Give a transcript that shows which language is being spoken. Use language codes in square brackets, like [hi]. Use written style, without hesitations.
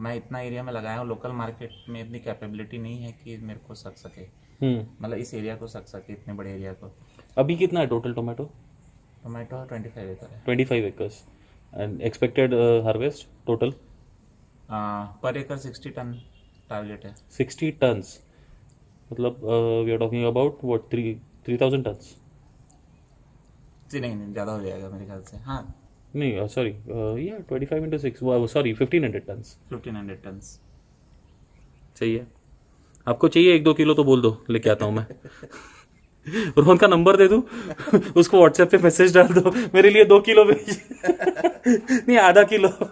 [hi] मैं इतना एरिया में लगाया हूँ, लोकल मार्केट में इतनी कैपेबिलिटी नहीं है कि मेरे को सक सके, मतलब इस एरिया को सक सके, इतने बड़े एरिया को। टोमेटो अभी कितना है टोटल टोमेटो? 25 एकड़ है, [en] 25 acres. And expected harvest total? [hi] पर एकड़ 60 टन टारगेट है। [en] 60 tons. मतलब we are talking about what, 3000 tons? [hi] नहीं, ज्यादा हो जाएगा मेरे ख्याल से। हाँ, नहीं सॉरी, या 25 x 6, सॉरी 1500 टन्स। [en] 1500 tons. [hi] सही है, आपको चाहिए 1-2 किलो तो बोल दो, लेके आता हूँ अरे मैं। रोहन का नंबर दे दूँ? उसको व्हाट्सएप पे मैसेज डाल दो, मेरे लिए 2 किलो भेज। नहीं, आधा किलो।